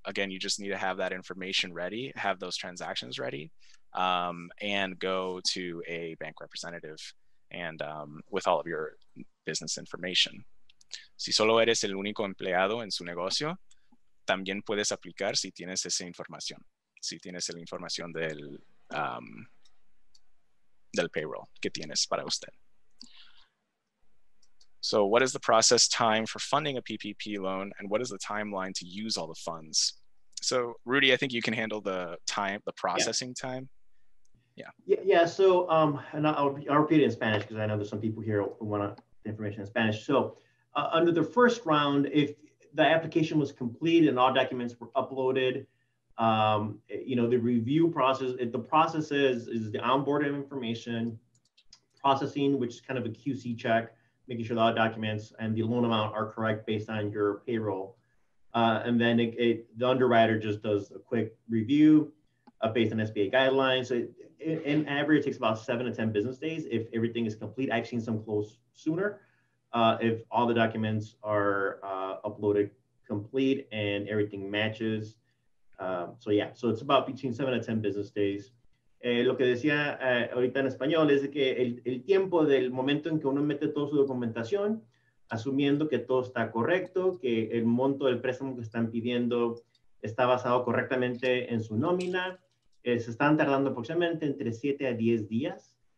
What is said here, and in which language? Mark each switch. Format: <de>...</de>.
<en>Again, you just need to have that information ready, have those transactions ready, and go to a bank representative and with all of your business information.</en> <es>Si solo eres el único empleado en su negocio, también puedes aplicar si tienes esa información, si tienes la información del del payroll que tienes para usted.</es> <en>So what is the process time for funding a PPP loan, and what is the timeline to use all the funds? So Rudy, I think you can handle the time, the processing time. Yeah. So and I'll repeat it in Spanish because I know there's some people here who want the information in Spanish. So under the first round, if the application was complete and all documents were uploaded, You know, the review process, the process is the onboarding information, processing, which is kind of a QC check, making sure the documents and the loan amount are correct based on your payroll. And then the underwriter just does a quick review based on SBA guidelines. So in average, it takes about 7 to 10 business days if everything is complete. I've seen some close sooner if all the documents are uploaded complete and everything matches. So it's about between 7 to 10 business days.</en> <es>Lo que decía ahorita en español es que el tiempo del momento en que uno mete toda su documentación, asumiendo que todo está correcto, que el monto del préstamo que están pidiendo está basado correctamente en su nómina, se están tardando aproximadamente entre 7 a 10 días.</es>